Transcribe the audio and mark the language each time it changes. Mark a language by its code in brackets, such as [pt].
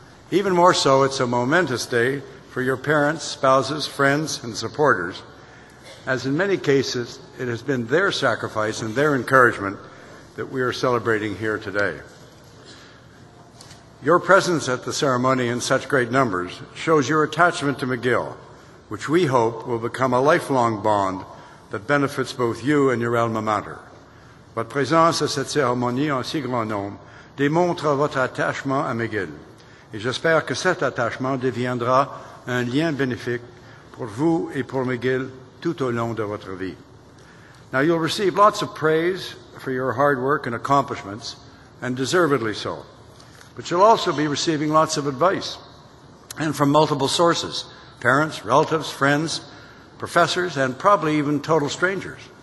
[en] Even more so, it's a momentous day for your parents, spouses, friends, and supporters, as in many cases, it has been their sacrifice and their encouragement that we are celebrating here today. Your presence at the ceremony in such great numbers shows your attachment to McGill, which we hope will become a lifelong bond that benefits both you and your alma mater. [fr] Votre présence à cette cérémonie en si grand nombre démontre votre attachement à McGill, et j'espère que cet attachement deviendra un lien bénéfique pour vous et pour McGill tout au long de votre vie. [en] Now, you'll receive lots of praise for your hard work and accomplishments, and deservedly so. But you'll also be receiving lots of advice, and from multiple sources, parents, relatives, friends, professors, and probably even total strangers.